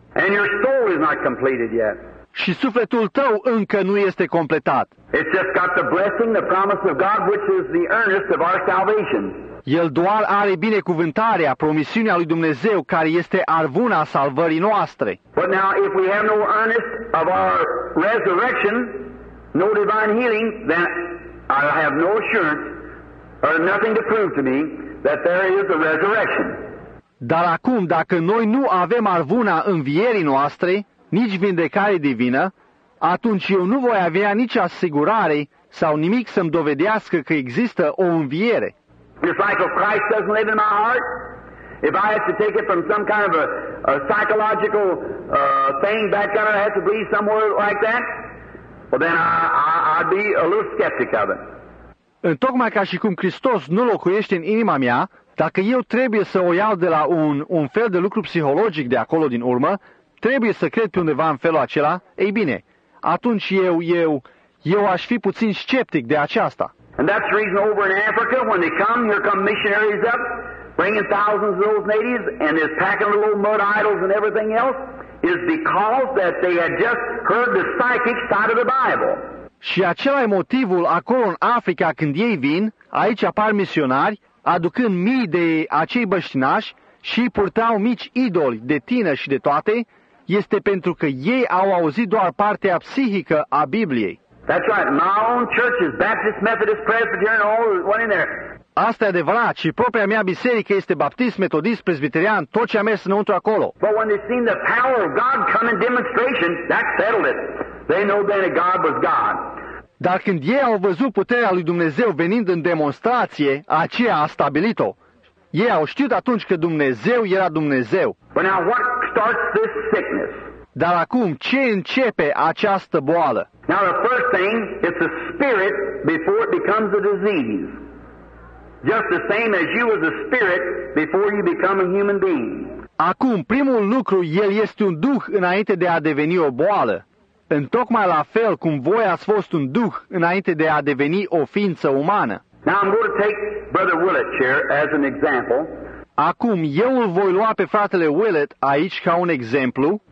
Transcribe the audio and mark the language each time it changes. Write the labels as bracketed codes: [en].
[en] And your soul is not completed yet. [ro] Și sufletul tău încă nu este completat. [en] It's just got the blessing, the promise of God, which is the earnest of our salvation. [ro] El doar are binecuvântarea, promisiunea lui Dumnezeu, care este arvuna salvării noastre. [en] But now, if we have no earnest of our resurrection, no divine healing, then I have no assurance or nothing to prove to me that there is a resurrection. [ro] Dar acum, dacă noi nu avem arvuna învierii noastre, nici vindecare divină, atunci eu nu voi avea nici asigurare sau nimic să-mi dovedească că există o înviere. [en] Just like if Christ doesn't live in my heart, if I have to take it from some kind of a psychological thing back there, I have to believe somewhere like that, well then I'd be a little skeptic of it. [ro] În tocmai ca și cum Hristos nu locuiește în inima mea, dacă eu trebuie să o iau de la un fel de lucru psihologic de acolo din urmă, trebuie să cred pe undeva în felul acela, ei bine, atunci eu aș fi puțin sceptic de aceasta. [en] And that's the reason over in Africa, when they come, here come missionaries up, bringing thousands of those natives, and they're packing little mud idols and everything else, is because that they had just heard the psychic side of the Bible. [ro] Și acela e motivul acolo în Africa, când ei vin, aici apar misionari, aducând mii de acei băștinași și purtau mici idoli de tină și de toate, este pentru că ei au auzit doar partea psihică a Bibliei. [en] That's right. My own church is Baptist, Methodist, Presbyterian, all one in there. [ro] Asta e adevărat. Și propria mea biserică este Baptist, Metodist, Presbyterian, tot ce a mers înăuntru acolo. [en] But when they've seen the power of God come in demonstration, that settled it. They know then that God was God. [ro] Dar când ei au văzut puterea lui Dumnezeu venind în demonstrație, aceea a stabilit-o. Ei au știut atunci că Dumnezeu era Dumnezeu. [en] But now what starts this sickness? [ro] Dar acum, ce începe această boală? [en] Now the first thing, it's a spirit before it becomes a disease. Just the same as you as a spirit before you become a human being. [ro] Acum, primul lucru, el este un duh înainte de a deveni o boală. Întocmai la fel cum voi ați fost un duh înainte de a deveni o ființă umană. [en] Now I'm going to take Brother Willett here as an example. [ro] Acum, eu îl voi lua pe fratele Willett aici ca un exemplu.